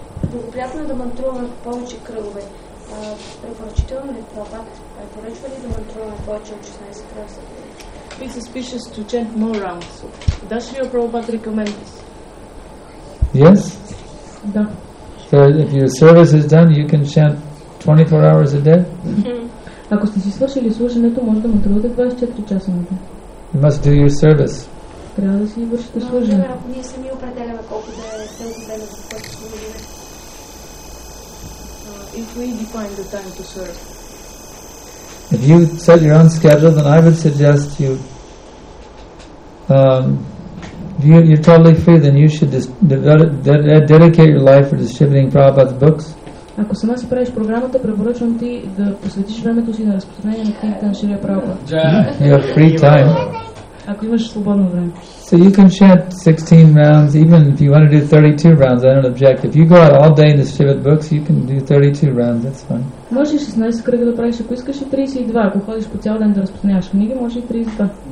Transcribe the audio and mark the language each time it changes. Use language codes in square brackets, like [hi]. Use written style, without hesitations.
[bg] Благоприятно е да мантруваме повече кръгове. Препоръчително ли това? Препоръчва ли да мантруваме повече от 16 кръгове? [en] It's suspicious to chant more rounds. Does your Prabhupada recommend this? Yes? [bg] Да. [en] So if your service is done, you can chant 24 hours a day? [bg] Ако сте си свършили служенето, може да мантрувате 24 часа на ден. [en] You must do your service. [bg] Трябва да си вършите служене. Но, ако ние сами определяме колко да е тълко време, за което служиме. [en] If we define the time to serve. If you set your own schedule, then I would suggest you you're totally free, then you should dedicate your life for distributing Prabhupada's books. [bg] Ако сама си правиш програмата, препоръчвам ти да посветиш времето си на разпространение на книгата на Шрила Прабхупада. [en] You have free time. [bg] Ако имаш свободно време. [en] So you can chant 16 rounds, even if you want to do 32 rounds, I don't object. If you go out all day and distribute books, you can do 32 rounds, that's fine. [bg] Можеш 16 кръга да правиш, ако искаш и 32. Ако ходиш по цял ден да разпространяваш книги, може и 32.